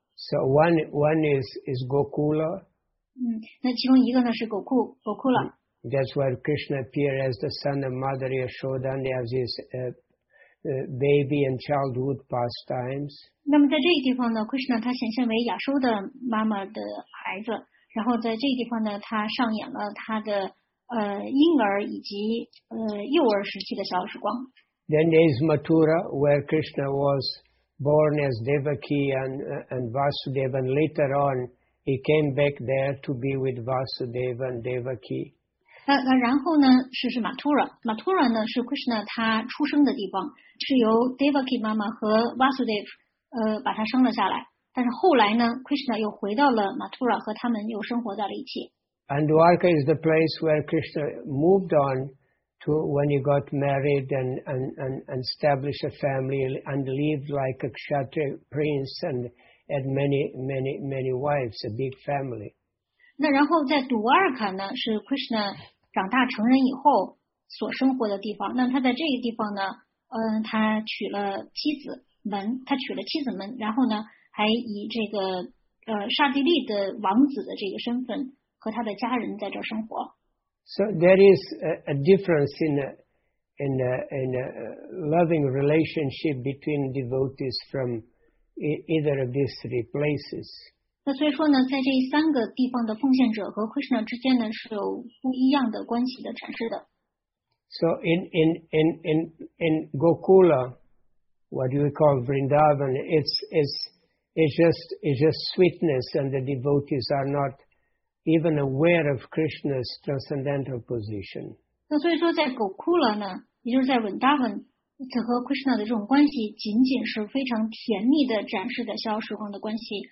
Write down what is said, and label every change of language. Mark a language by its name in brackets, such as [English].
[English] So one is Gokula. [Chinese] 那其中一个呢是 Gokula. [English] That's where Krishna appeared as the son of Mother Yashoda and has his baby and childhood pastimes. [Chinese] 那么在这个地方呢 ，Krishna 他显现为亚修的妈妈的孩子。然后在这个地方呢，他上演了他的婴儿以及幼儿时期的逍遥时光。 [English] Then there is Mathura, where Krishna was born as Devaki and Vasudeva, and later on he came back there to be with Vasudeva and Devaki. [Chinese] 然后呢是 Mathura。Mathura 呢是 Krishna 他出生的地方，是由 Devaki 妈妈和 Vasudeva 把他生了下来。但是后来呢 ，Krishna 又回到了 Mathura， 和他们又生活在了一起。 [English] And Dwarka is the place where Krishna moved on to when he got married and established a family and lived like a Kshatriya prince and had many wives, a big family. [Chinese] 那然后在 Dwarka 呢，是 Krishna 长大成人以后所生活的地方。那他在这个地方呢，他娶了妻子们，他娶了妻子们，然后呢？还以这个刹帝利的王子的这个身份和他的家人在这生活。 [English] So there is a difference in a loving relationship between devotees from either of these three places. [Chinese] 那所以说呢，在这三个地方的奉献者和 Krishna 之间呢，是有不一样的关系的阐释的。 [English] So in Gokula, what we call Vrindavan, it's just sweetness, and the devotees are not even aware of Krishna's transcendental position. [Chinese] 那所以说，在 Gokula 呢，也就是在 Vrindavan， 这和 Krishna 的这种关系，仅仅是非常甜蜜的展示的逍遥时光的关系。